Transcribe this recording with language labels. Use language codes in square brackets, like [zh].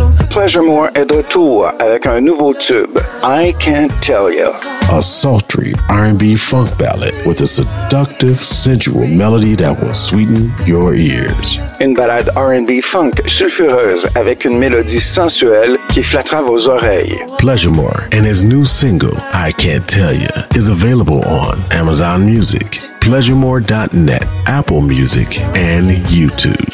[fr] Pleasure More est de retour avec un nouveau tube, I Can't Tell You. [en] A sultry R&B funk ballad with a seductive, sensual melody that will sweeten your ears. [fr] Une ballade R&B funk sulfureuse avec une mélodie sensuelle qui flattera vos oreilles. [en] Pleasure More and his new single, I Can't Tell You, is available on Amazon Music, PleasureMore.net, Apple Music, and YouTube.